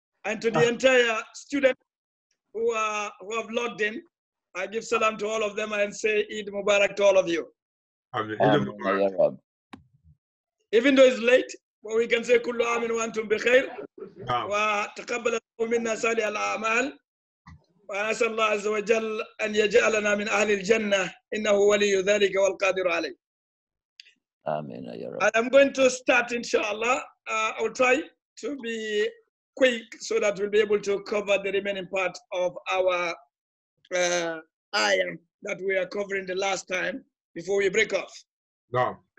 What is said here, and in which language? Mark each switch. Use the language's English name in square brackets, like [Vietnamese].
[English] And to the entire student who have logged in, I give salam to all of them and say Eid Mubarak to all of you. Eid Mubarak. Even though it's late, but we can say [Arabic] kullu amin wa antum bi khair. Wa taqabbalallahu minna sali al amal. وأسأل الله عز وجل أن يجعلنا من أهل الجنة إنه ولي ذلك والقادر عليه. آمين يا رب. [English] I am going to start [Arabic] إن شاء الله. [English] I'll try to be quick so that we'll be able to cover the remaining part of our ayah that we are covering the last time before we break off. No.